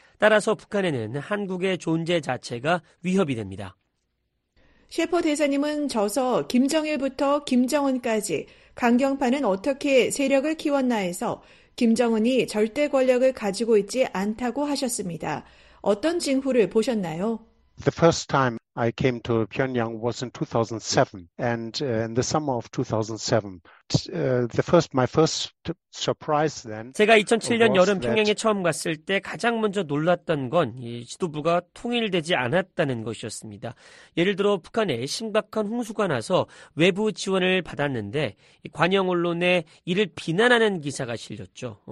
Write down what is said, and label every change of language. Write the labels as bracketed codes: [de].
[ko] 따라서 북한에는 한국의 존재 자체가 위협이 됩니다. 셰퍼 대사님은 저서 김정일부터 김정은까지 강경파는 어떻게 세력을 키웠나 해서 김정은이 절대 권력을 가지고 있지 않다고 하셨습니다. 어떤 징후를 보셨나요? [en] The first time I came to Pyongyang was in 2007 and in the summer of 2007 [ko] 제가 2007년 여름 평양에 처음 갔을 때 가장 먼저 놀랐던 건 이 지도부가 통일되지 않았다는 것이었습니다. 예를 들어 북한에 심각한 홍수가 나서 외부 지원을 받았는데 관영 언론에 이를 비난하는 기사가 실렸죠.